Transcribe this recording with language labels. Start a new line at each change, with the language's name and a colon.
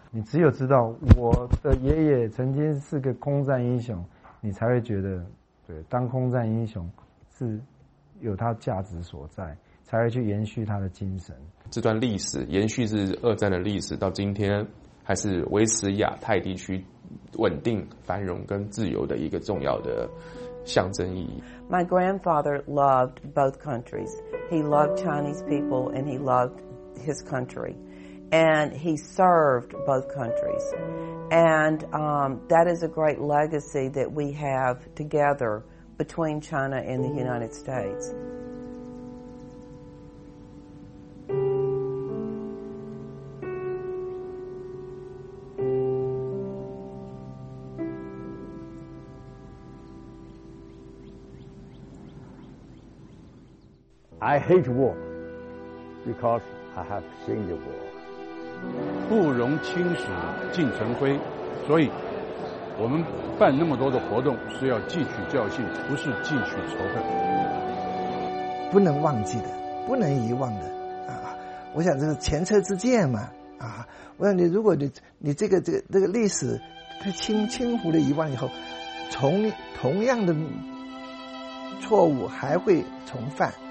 Chinese: 你只有知道我的爷爷曾经是个空战英雄，你才会觉得对，当空战英雄是有它价值所在，才会去延续它的精神。这段历史延续是二战的历史到今天，还是维持亚太地区稳定繁荣跟自由的一个重要的象征意义。
English: My grandfather loved both countries. He loved Chinese people and he loved his country. And he served both countries. And that is a great legacy that we have together between China and the United States. I hate war because I have seen the war.
Chinese: 不容轻史尽成灰，所以我们办那么多的活动是要汲取教训，不是汲取仇恨。不能忘记的，不能遗忘的啊！我想这是前车之鉴嘛啊！我想你，如果你这个历史，它轻忽的遗忘以后，同样的错误还会重犯。